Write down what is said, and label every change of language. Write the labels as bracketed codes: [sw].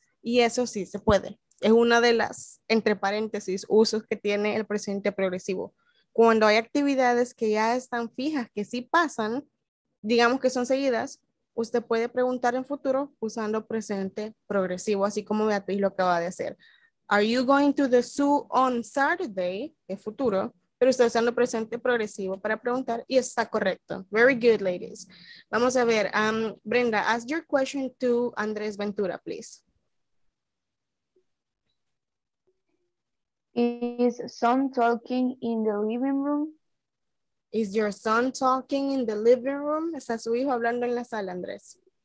[es] Y eso sí se puede. Es una de las, entre paréntesis, usos que tiene el presente progresivo. Cuando hay actividades que ya están fijas, que sí pasan, digamos que son seguidas, usted puede preguntar en futuro usando presente progresivo, así como Beatriz lo acaba de hacer. [en] Are you going to the zoo on Saturday? [es] Es futuro, pero está usando presente progresivo para preguntar y está correcto. [en] Very good, ladies. [es] Vamos a ver. [en] Brenda, ask your question to Andrés Ventura, please. Is son talking in the living room? Is your son talking in the living room? [es] ¿Está su hijo hablando en la sala, Andrés?